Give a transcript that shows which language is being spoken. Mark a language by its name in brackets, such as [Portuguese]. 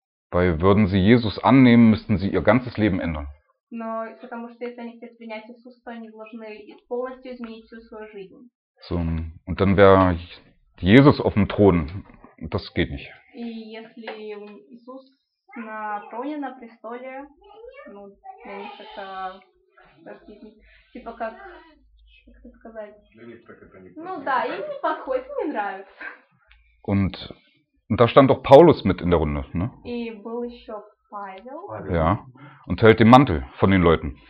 [German] Weil würden sie Jesus annehmen, müssten sie ihr ganzes Leben ändern. [Russian] Но потому что если они хотят принять Иисуса, то они должны полностью изменить всю свою жизнь. [German] So ein... Und dann wäre Jesus auf dem Thron. Das geht nicht. [Russian] И если Иисус на троне, на престоле, ну, я не знаю, типа как это сказать? Ну да, им не подходит, им не нравится. [German] Und da stand auch Paulus mit in der Runde, ne? [Russian] И был еще Павел. [German] Ja, und hält den Mantel von den Leuten.